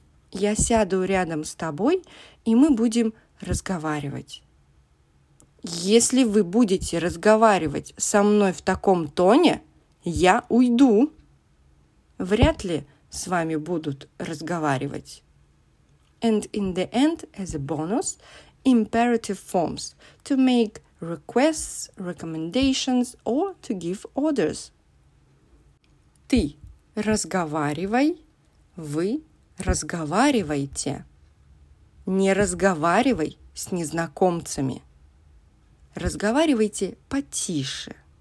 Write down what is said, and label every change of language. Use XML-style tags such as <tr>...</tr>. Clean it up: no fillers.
<ru>Я сяду рядом с тобой, и мы будем разговаривать. Если вы будете разговаривать со мной в таком тоне, я уйду. Вряд ли с вами будут разговаривать.</ru> <en>And in the end, as a bonus, imperative forms to make requests, recommendations, or to give orders.</en> <ru>Ты разговаривай, вы разговаривайте. Не разговаривай с незнакомцами. Разговаривайте потише.</ru>